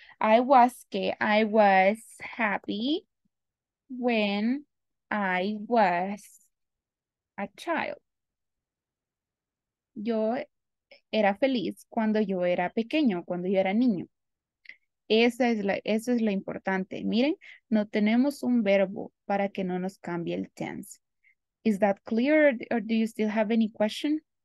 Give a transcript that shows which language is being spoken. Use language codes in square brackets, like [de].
[en] I was happy when I was a child. [es] Yo era feliz cuando yo era pequeño, cuando yo era niño. Esa es la importante. Miren, no tenemos un verbo para que no nos cambie el tense. [en] Is that clear or do you still have any question?